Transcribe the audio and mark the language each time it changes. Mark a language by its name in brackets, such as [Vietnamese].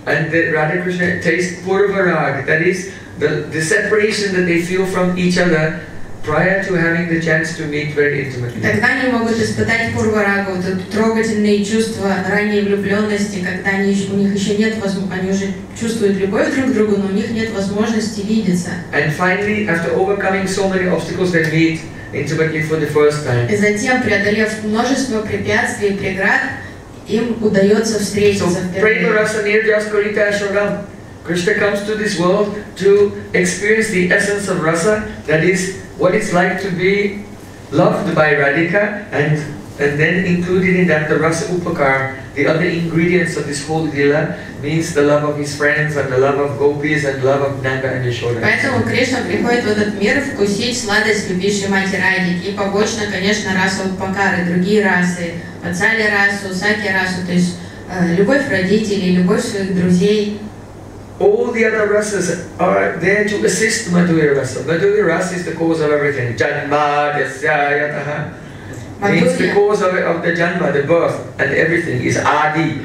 [English] And the Radha Krishna tastes purvarag, that is the separation that they feel from each other prior to having the chance to meet very intimately. [Russian] Тогда они могут испытать пурварагу, трогательные чувства ранней влюбленности, когда они уже чувствуют любовь друг к другу, но у них нет возможности видеться. [English] And finally, after overcoming so many obstacles, they meet intimately for the first time. [Russian] И затем, преодолев множество препятствий и преград, им удается встретиться впервые. [Bangla] So, prema rasa nirjas korita asvadan. [English] Krishna comes to this world to experience the essence of rasa, that is what it's like to be loved by Radhika and then included in that the rasa upakar, the other ingredients of this whole lila, means the love of his friends and the love of gopis and love of Nanda and Yashoda. [Russian] Поэтому Кришна приходит в этот мир вкусить сладость любящей матери Радхики и побочно, конечно, раса упакар и другие расы, вацали расу, саки расу, то есть любовь родителей, любовь своих друзей. [English] All the other rasas are there to assist Madhurya rasa. Madhurya rasa is the cause of everything. [Sanskrit] Janma, yasya, yataha. [English] It's the cause of the janma, the birth, and everything is adi.